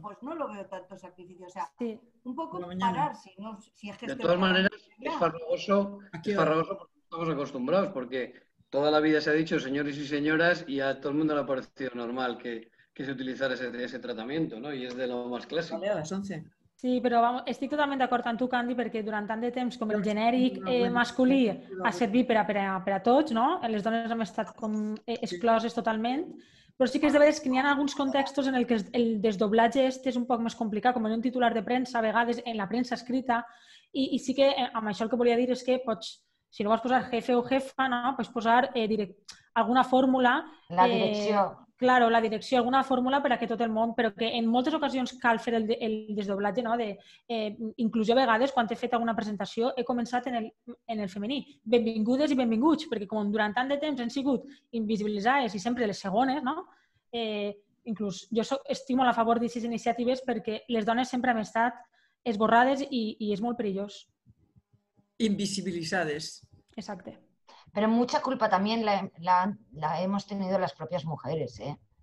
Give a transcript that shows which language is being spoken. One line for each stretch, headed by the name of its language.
Spanish: Pues no lo veo tanto sacrificio. O sea, un poco parar, si es que... De todas maneras, es farragoso porque estamos acostumbrados, porque toda la vida se ha dicho señores y señoras y a todo el mundo le ha parecido normal que se utilizara ese tratamiento, ¿no? Y es de lo más clásico. Vale, a las 11.
Catalan: Sí, però estic totalment d'acord amb tu, Candy, perquè durant tant de temps com el genèric masculí ha servit per a tots, no? Les dones han estat com excloses totalment, però sí que és de vegades que n'hi ha alguns contextos en què el desdoblatge este és un poc més complicat, com en un titular de premsa, a vegades en la premsa escrita, i sí que amb això el que volia dir és que pots, si no vols posar jefe o jefa, no? Pots posar alguna fórmula... La direcció... Claro, la direcció, alguna fórmula per a que tot el món... Però que en moltes ocasions cal fer el desdoblatge, no? Inclús a vegades, quan he fet alguna presentació, he començat en el femení. Benvingudes i benvinguts, perquè com durant tant de temps hem sigut invisibilitzades i sempre les segones, no? Inclús jo estic molt a favor d'aquestes iniciatives perquè les dones sempre han estat esborrades i és molt perillós. Invisibilitzades. Exacte.
Spanish: Pero mucha culpa también la hemos tenido las propias mujeres, ¿eh?